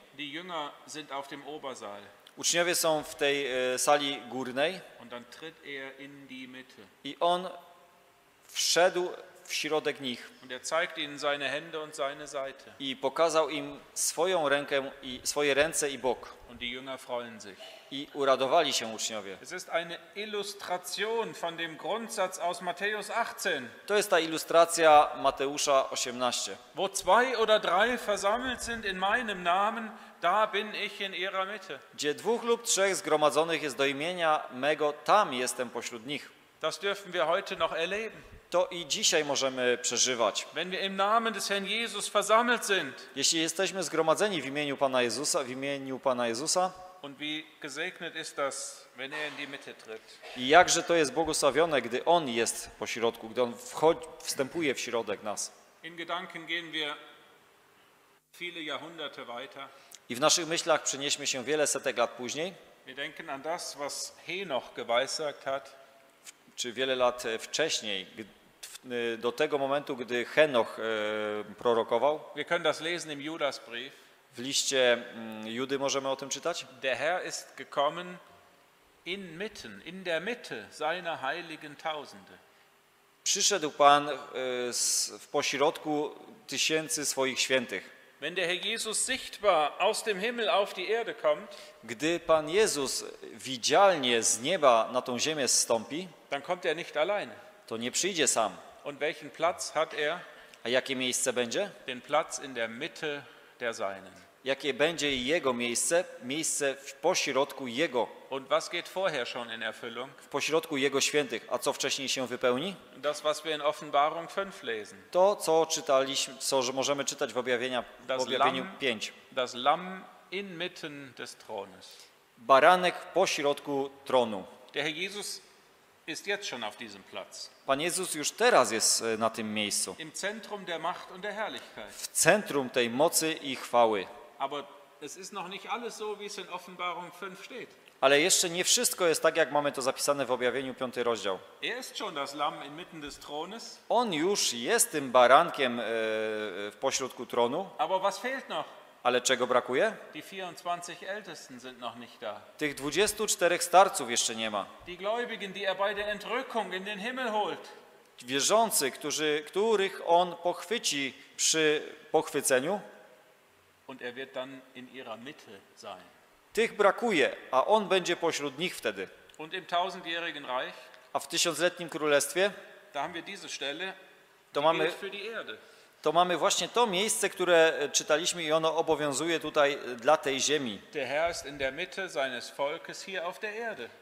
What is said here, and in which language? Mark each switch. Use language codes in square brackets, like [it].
[de] Die Jünger sind auf dem Obersaal. [pl] Uczniowie są w tej sali górnej. [de] Und dann tritt er in die Mitte. [pl] I on wszedł w środek nich. [de] Und er zeigt ihnen seine Hände und seine Seite. [pl] I pokazał im swoją rękę i swoje ręce i bok. [de] Und die Jünger freuen sich. [pl] I uradowali się uczniowie. [de] Es ist eine Illustration von dem Grundsatz aus Matthäus 18. [pl] To jest ta ilustracja Mateusza 18. [de] Wo zwei oder drei versammelt sind in meinem Namen, da bin ich in ihrer Mitte. [pl] Gdzie dwóch lub trzech zgromadzonych jest do imienia mego, tam jestem pośród nich. [de] Das dürfen wir heute noch erleben. [pl] To i dzisiaj możemy przeżywać. [de] Wenn wir im Namen des Herrn Jesus versammelt sind. [pl] Jeśli jesteśmy zgromadzeni w imieniu Pana Jezusa, [de] Und wie gesegnet ist das, wenn er in die Mitte tritt. [pl] I jakże to jest błogosławione, gdy On jest pośrodku, gdy On wstępuje w środek nas. [de] In Gedanken gehen wir viele Jahrhunderte weiter. [pl] I w naszych myślach przenieśmy się wiele setek lat później. [de] Wir denken an das, was Henoch geweissagt hat. [pl] Czy wiele lat wcześniej, do tego momentu, gdy Henoch prorokował. [de] Wir können das lesen im Judasbrief. [pl] W liście Judy możemy o tym czytać. [de] Der Herr ist gekommen inmitten, in der Mitte seiner heiligen Tausende. [pl] Przyszedł Pan w pośrodku tysięcy swoich świętych. [de] Wenn der Herr Jesus sichtbar aus dem Himmel auf die Erde kommt, [pl] gdy Pan Jezus widzialnie z nieba na tą ziemię zstąpi, [de] dann kommt er nicht allein. [pl] To nie przyjdzie sam. [de] Und welchen Platz hat er? [pl] A jakie miejsce będzie? [de] Den Platz in der Mitte der Seinen. [pl] Jakie będzie jego miejsce? Miejsce w pośrodku jego. [de] Und was geht vorher schon in Erfüllung? [pl] W pośrodku jego świętych. A co wcześniej się wypełni? [de] Das, was wir in Offenbarung 5 lesen. [pl] To, co czytaliśmy, co możemy czytać w Objawieniu 5. [de] Das Lamm inmitten des Thrones. [pl] Baranek w pośrodku tronu. [de] Der Herr Jesus ist jetzt schon auf diesem Platz. [pl] Pan Jezus już teraz jest na tym miejscu. [de] Im Zentrum der Macht und der Herrlichkeit. [pl] W centrum tej mocy i chwały. [de] Aber es ist noch nicht alles so, wie es in Offenbarung 5 steht. [pl] Ale jeszcze nie wszystko jest tak, jak mamy to zapisane w Objawieniu 5 rozdział. [de] Er ist schon das Lamm inmitten des Thrones. [pl] On już jest tym barankiem w pośrodku tronu. [de] Aber was fehlt noch? [pl] Ale czego brakuje? [de] Die 24 Ältesten sind noch nicht da. [pl] Tych 24 starców jeszcze nie ma. [de] Die Gläubigen, die er bei der Entrückung in den Himmel holt. [pl] Wierzący, których on pochwyci przy pochwyceniu. [de] Und er wird dann in ihrer Mitte sein. [pl] Tych brakuje, a on będzie pośród nich wtedy. [de] Und im tausendjährigen Reich, [pl] a w tysiącletnim królestwie, [de] da haben wir diese Stelle, [pl] to mamy [de] für die Erde. [pl] To mamy właśnie to miejsce, które czytaliśmy i ono obowiązuje tutaj dla tej ziemi. [de] Der Herr ist in der Mitte seines Volkes hier auf der Erde.